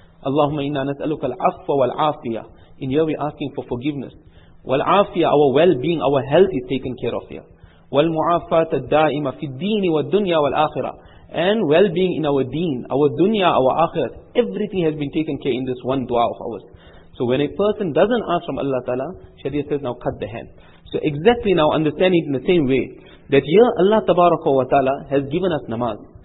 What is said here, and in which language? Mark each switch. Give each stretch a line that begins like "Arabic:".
Arabic: اللهم إنا نسألك العفو والعافية.
English: In here we're asking for forgiveness. والعافية, our well-being, our health is taken care of here.
Arabic: والمعافاة الدائمة في الدين والدنيا والآخرة.
English: And well-being in our deen, our dunya, our akhirat, everything has been taken care in this one du'a of ours. So when a person doesn't ask from Allah Ta'ala, Sharia says now cut the hand. So exactly now understand it in the same way, that here Allah Tabaraka wa Ta'ala has given us namaz.